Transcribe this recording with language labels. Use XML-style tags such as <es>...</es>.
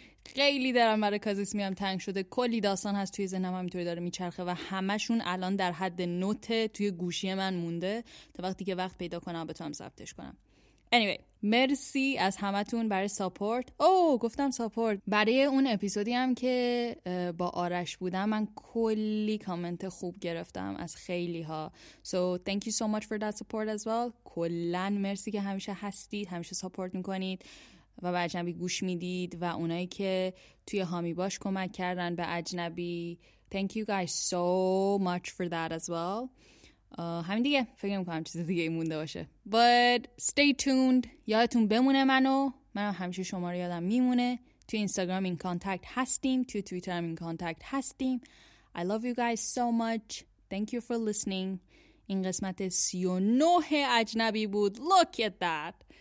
<fa>خیلی دارم برای کازیسمی هم تنگ شده، کلی داستان هست توی ذهنم همینطوری داره میچرخه و همشون الان در حد نوته توی گوشی من مونده تا وقتی که وقت پیدا کنم بتونم ضبطش کنم. anyway مرسی از همتون برای ساپورت. گفتم ساپورت، برای اون اپیزودی هم که با آرش بودم من کلی کامنت خوب گرفتم از خیلی ها.</fa> <en>So thank you so much for that support as well.</en> <fa>کلن مرسی که همیشه هستید، همیشه ساپورت میکنید و به اجنبی گوش میدید و اونایی که توی هامی باش کمک کردن به اجنبی.</fa> <en>Thank you guys so much for that as well.</en> <fa>همین دیگه، فکر میکنم چیز دیگه مونده باشه.</fa> <en>But stay tuned.</en> <fa>یادتون بمونه منو. منم همیشه شما رو یادم میمونه. توی اینستاگرام این کانتکت هستیم. توی تویتر هم این کانتکت هستیم.</fa> <en>I love you guys so much. Thank you for listening.</en> <fa>این قسمت 39 اجنبی بود.</fa> <en>Look at that.</en>